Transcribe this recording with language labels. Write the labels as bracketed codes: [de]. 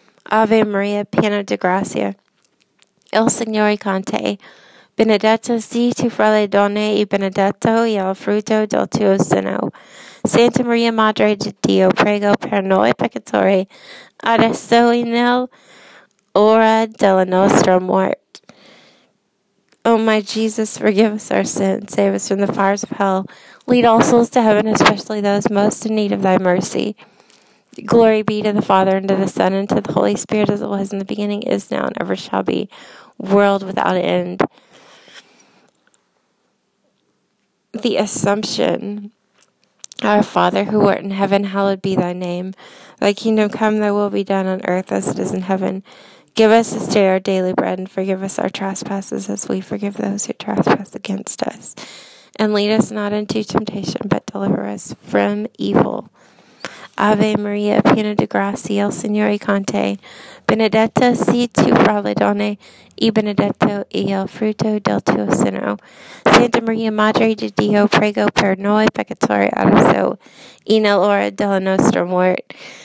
[it] Ave Maria, piena di grazia, il Signore con te, benedetta sei tu fra le donne, e benedetto il frutto del tuo seno. Santa Maria, Madre di Dio, prega per noi peccatori, adesso e nell'ora della nostra morte. [en] O my Jesus, forgive us our sins, save us from the fires of hell. Lead all souls to heaven, especially those most in need of thy mercy. Glory be to the Father, and to the Son, and to the Holy Spirit, as it was in the beginning, is now, and ever shall be, world without end. The Assumption. Our Father, who art in heaven, hallowed be thy name. Thy kingdom come, thy will be done on earth as it is in heaven. Give us this day our daily bread, and forgive us our trespasses, as we forgive those who trespass against us. And lead us not into temptation, but deliver us from evil. [it] Ave Maria, piena di grazia, il Signore con te. Benedetta sei tu fra le donne, e benedetto il frutto del tuo seno. Santa Maria, Madre di Dio, prega per noi peccatori, adesso e nell'ora della nostra morte.